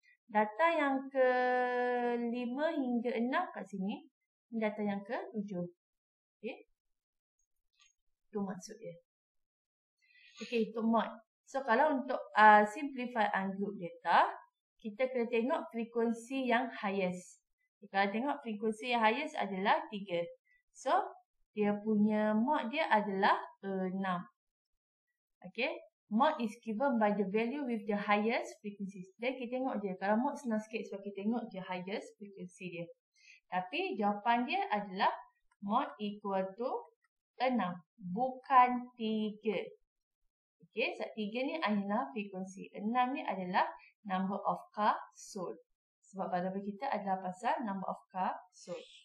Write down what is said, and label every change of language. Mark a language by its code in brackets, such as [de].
[ms] Data yang kelima hingga enam kat sini. Data yang ke-7. Okey. Itu maksud dia. Okey, itu mod. So kalau untuk simplify ungroup data, kita kena tengok frekuensi yang highest. Kalau tengok frekuensi yang highest adalah 3. So dia punya mod dia adalah 6. Okey. [en] Mod is given by the value with the highest frequency. [ms] Then kita tengok dia. Kalau mod senang sikit sebab kita tengok dia highest frequency dia. Tapi jawapan dia adalah mod equal to 6. Bukan 3. Okay. So 3 ni adalah frequency. [en] 6 [ms] ni adalah [en] number of car sold. [ms] Sebab variable kita adalah pasal [en] number of car sold.